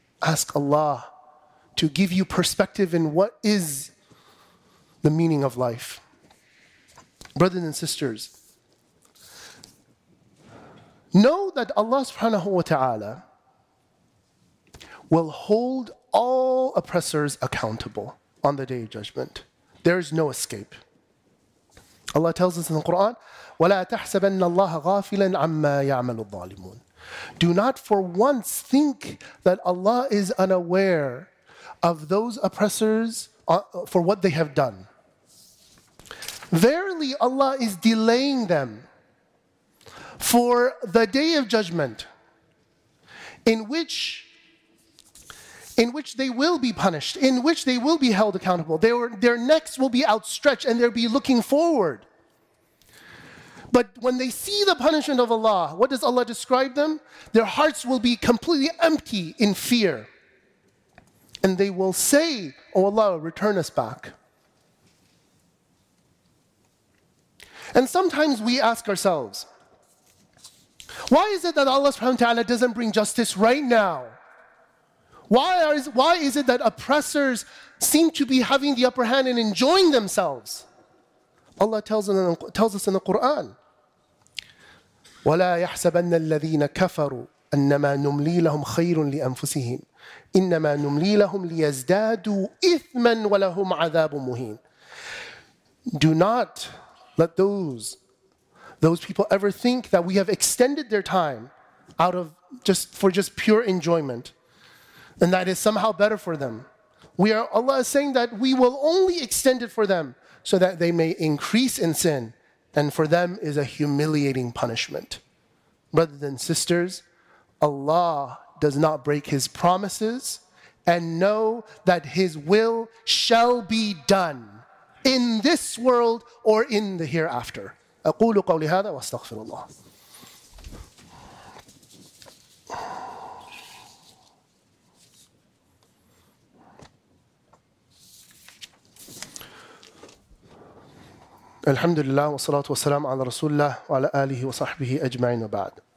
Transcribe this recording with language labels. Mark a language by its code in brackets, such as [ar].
[en] Ask Allah to give you perspective in what is the meaning of life. Brothers and sisters, know that Allah subhanahu wa ta'ala will hold all oppressors accountable on the day of judgment. There is no escape. Allah tells us in the Quran, [ar] وَلَا تَحْسَبَنَّ اللَّهَ غَافِلًا عَمَّا يَعْمَلُ الظَّالِمُونَ. [en] Do not for once think that Allah is unaware of those oppressors for what they have done. Verily, Allah is delaying them for the day of judgment in which they will be punished, in which they will be held accountable. Their necks will be outstretched and they'll be looking forward. But when they see the punishment of Allah, what does Allah describe them? Their hearts will be completely empty in fear. And they will say, O Allah, return us back. And sometimes we ask ourselves, why is it that Allah subhanahu wa ta'ala doesn't bring justice right now? Why is it that oppressors seem to be having the upper hand and enjoying themselves? Allah tells us in the Quran, [ar] وَلَا يَحْسَبَنَّ الَّذِينَ كَفَرُوا أَنَّمَا نُمْلِي لَهُمْ خَيْرٌ لِأَنفُسِهِمْ إِنَّمَا نُمْلِي لَهُمْ لِيَزْدَادُوا إِثْمًا وَلَهُمْ عَذَابٌ مُهِينٌ. [en] Do not let those people ever think that we have extended their time out of just pure enjoyment, and that is somehow better for them. Allah is saying that we will only extend it for them so that they may increase in sin, and for them is a humiliating punishment. Brothers and sisters, Allah does not break His promises, and know that His will shall be done in this world or in the hereafter. [ar] أقول قولي هذا واستغفر الله. الحمد لله والصلاة والسلام على رسول الله وعلى آله وصحبه أجمعين وبعد.